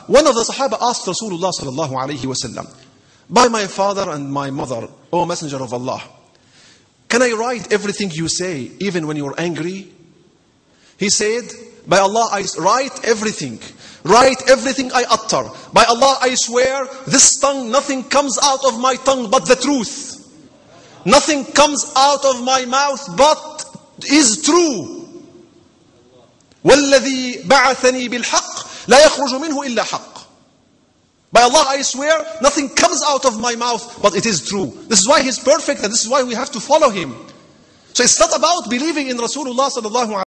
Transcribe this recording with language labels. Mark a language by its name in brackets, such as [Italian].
[English] One of the Sahaba asked Rasulullah sallallahu alayhi wa sallam, by my father and my mother, O Messenger of Allah, can I write everything you say even when you are angry? He said, by Allah I write everything. Write everything I utter. By Allah I swear, this tongue, nothing comes out of my tongue but the truth. Nothing comes out of my mouth but is true. [Arabic] والذي بعثني بالحق لا يخرج منه إلا حق. [English] By Allah I swear, nothing comes out of my mouth, but it is true. This is why he is perfect, and this is why we have to follow him. So it's not about believing in Rasulullah sallallahu alayhi wa sallam.